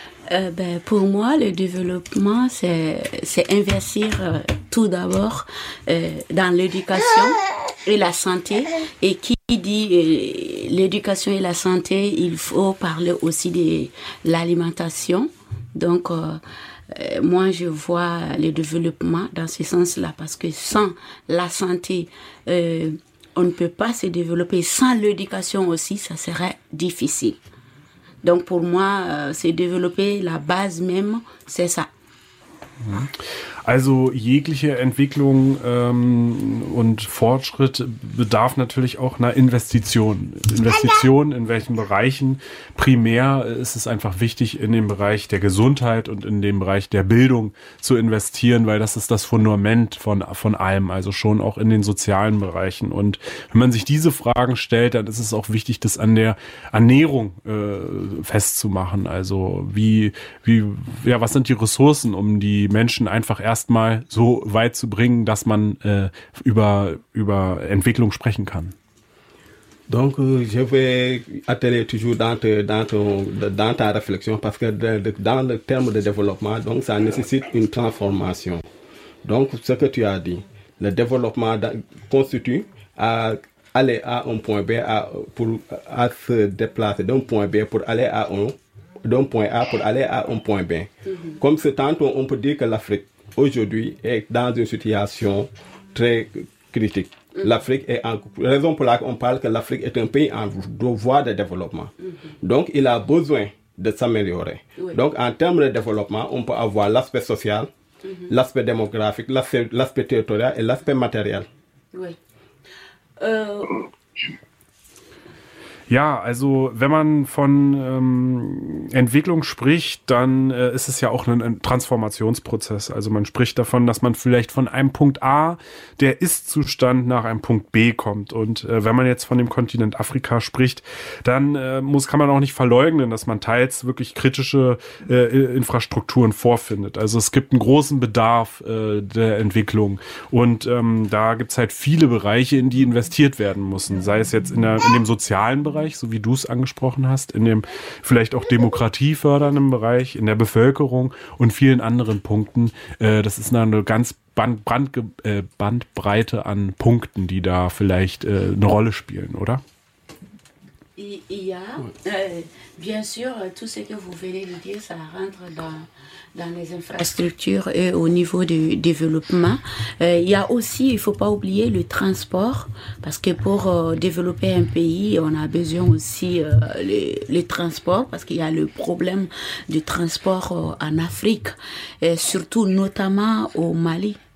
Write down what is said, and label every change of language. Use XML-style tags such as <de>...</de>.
<fr>Ben, pour moi, le développement, c'est investir tout d'abord dans l'éducation et la santé. Et qui dit l'éducation et la santé, il faut parler aussi de l'alimentation. Donc, moi, je vois le développement dans ce sens-là, parce que sans la santé, on ne peut pas se développer. Sans l'éducation aussi, ça serait difficile. Donc, pour moi, se développer, la base même, c'est ça.</fr> <de>Also, jegliche Entwicklung und Fortschritt bedarf natürlich auch einer Investition. Investition in welchen Bereichen? Primär ist es einfach wichtig, in den Bereich der Gesundheit und in den Bereich der Bildung zu investieren, weil das ist das Fundament von allem, also schon auch in den sozialen Bereichen. Und wenn man sich diese Fragen stellt, dann ist es auch wichtig, das an der Ernährung festzumachen. Also, was sind die Ressourcen, um die Menschen einfach erstmal so weit zu bringen, dass man über Entwicklung sprechen kann.</de> <fr>Donc, je vais atteler toujours dans ta réflexion, parce que dans le terme de développement, donc ça nécessite une transformation. Donc, ce que tu as dit, le développement constitue à aller à un point B pour se déplacer d'un point B pour aller à d'un point A pour aller à un point B. Mm-hmm. Comme c'est tantôt, on peut dire que l'Afrique aujourd'hui est dans une situation très critique. L'Afrique est en raison pour laquelle on parle que l'Afrique est un pays en voie de développement. Donc, il a besoin de s'améliorer. Donc, en termes de développement, on peut avoir l'aspect social, l'aspect démographique, l'aspect territorial et l'aspect matériel.</fr> <de>Ja, also wenn man von Entwicklung spricht, dann ist es ja auch ein Transformationsprozess. Also man spricht davon, dass man vielleicht von einem Punkt A, der Ist-Zustand, nach einem Punkt B kommt. Und wenn man jetzt von dem Kontinent Afrika spricht, dann kann man auch nicht verleugnen, dass man teils wirklich kritische Infrastrukturen vorfindet. Also es gibt einen großen Bedarf der Entwicklung. Und da gibt es halt viele Bereiche, in die investiert werden müssen. Sei es jetzt in dem sozialen Bereich, so wie du es angesprochen hast, in dem vielleicht auch demokratiefördernden Bereich, in der Bevölkerung und vielen anderen Punkten. Das ist eine ganz Bandbreite an Punkten, die da vielleicht eine Rolle spielen, oder?</de> <fr>il y a, bien sûr, tout ce que vous venez de dire, ça rentre dans les infrastructures et au niveau du développement. Il y a aussi, il ne faut pas oublier, le transport, parce que pour développer un pays, on a besoin aussi les transports, parce qu'il y a le problème du transport en Afrique, et surtout notamment au Mali.</fr>